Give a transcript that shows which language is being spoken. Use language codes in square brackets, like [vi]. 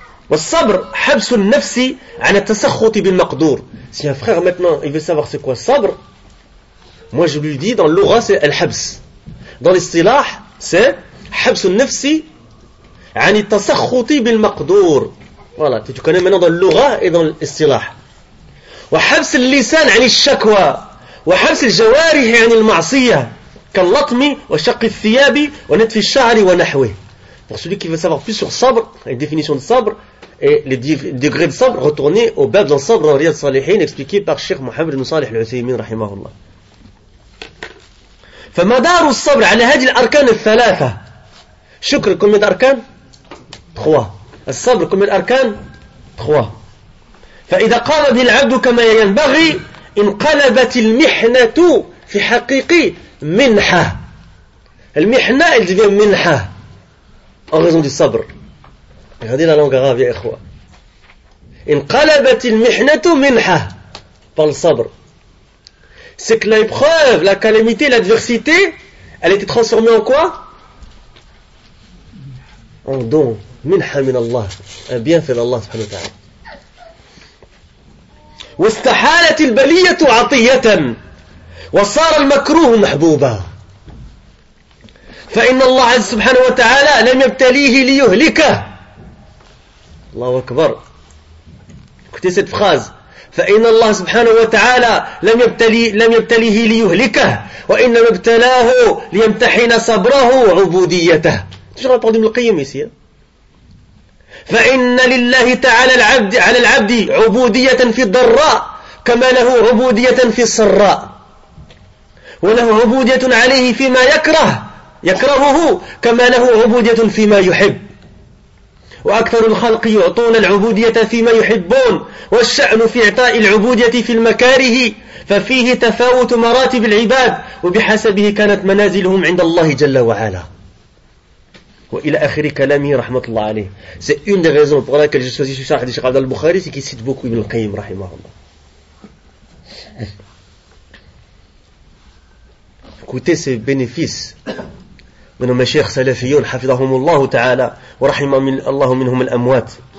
[ar] Wa as-sabr habsu an-nafsi 'ala at-tasakhkhuti bil maqdur. [fr] Si un frère maintenant il veut savoir c'est quoi sabr, moi je lui dis dans l'ora c'est al-habs. Dans l'istilah c'est [ar] habsu an-nafsi 'ala at-tasakhkhuti bil maqdur. [fr] Voilà, tu connais maintenant dans l'ora et dans l'istilah. [ar] وحبس اللسان عن الشكوى وحبس الجوارح عن المعصية كاللطم وشق الثياب ونتف الشعر ونحوه. [fr] Pour celui qui veut savoir plus sur sabr, les définitions de sabr et les degrés de sabr, retournez au bab dans sabr dans Riyad Salihin expliqué par Cheikh Mohamed ibn Salih al-Uthaymin rahimahullah. [ar] فمدار الصبر على هذه الأركان الثلاثة. شكر كم من أركان؟ 3. الصبر كم من أركان؟ 3. فإذا قام به العبد كما ينبغي انقلبت المحنة في حقيقي منحة. [fr] المحنة elle devient منحة en raison du sabr. Regardez la langue arabe, ya ikhwa. [ar] انقلبت المحنة منحة [fr] par le sabr. C'est que l'épreuve, la calamité, l'adversité, elle a été transformée en quoi? En don. [ar] منحة من الله. [fr] Un bienfait d'Allah subhanahu wa ta'ala. [ar] واستحالت البلية عطية وصار المكروه محبوبا. فإن الله عز سبحانه وتعالى لم يبتليه ليهلكه. الله أكبر. كتي سيت فراز. فإن الله سبحانه وتعالى لم يبتليه ليهلكه، وإنما ابتلاه ليمتحن صبره وعبوديته. شنو غنقول من القيم يسير؟ فإن لله تعالى العبد على العبد عبودية في الضراء، كما له عبودية في السراء، وله عبودية عليه فيما يكرهه، كما له عبودية فيما يحب. وأكثر الخلق يعطون العبودية فيما يحبون، والشأن في إعطاء العبودية في المكاره، ففيه تفاوت مراتب العباد وبحسبه كانت منازلهم عند الله جل وعلا. وإلى آخر كلامه رحمة الله عليه. [fr] C'est une des raisons pour laquelle j'ai choisi ce chapitre du Cheikh Al-Bukhari, c'est qu'il cite beaucoup Ibn Al-Qayyim رحمه الله. Écoutez ces bénéfices de nos mashayikh salafiyun [ar] حفظهم الله تعالى ورحم الله منهم الأموات.